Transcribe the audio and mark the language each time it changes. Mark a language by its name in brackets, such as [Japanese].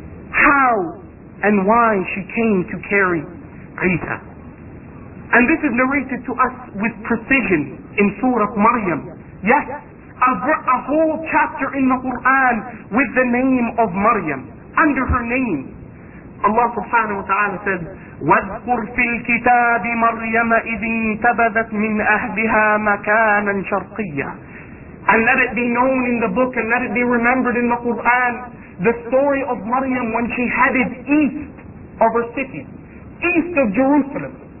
[English] How and why she came to carry Isa. And this is narrated to us with precision in Surah Maryam. Yes, a whole chapter in the Quran with the name of Maryam, under her name. Allah subhanahu wa ta'ala said, [Arabic] وَاذْكُرْ فِي الْكِتَابِ مَرْيَمَ إِذِ انْتَبَذَتْ مِنْ أَهْلِهَا مَكَانًا شَرْقِيًّا. [English] And let it be known in the book, and let it be remembered in the Quran, the story of Maryam when she headed east of her city, east of Jerusalem.